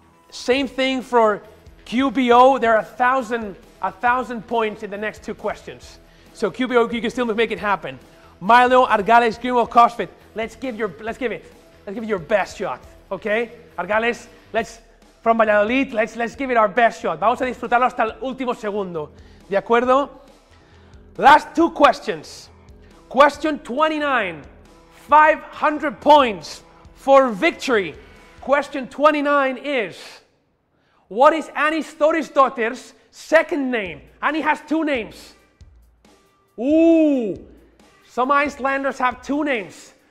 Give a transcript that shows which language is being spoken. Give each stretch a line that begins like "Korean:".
English: Same thing for QBO, there are 1,000 points in the next two questions. So QBO, you can still make it happen. Milo Argales, Grimo CrossFit, let's give it your best shot, okay? Argales, let's, from Valladolid, let's give it our best shot.
Spanish: Vamos a disfrutarlo hasta el último segundo, de acuerdo?
English: Last two questions. Question 29, 500 points for victory. Question 29 is, what is Annie Thórisdóttir's second name? Annie has two names. Ooh, some Icelanders have two names.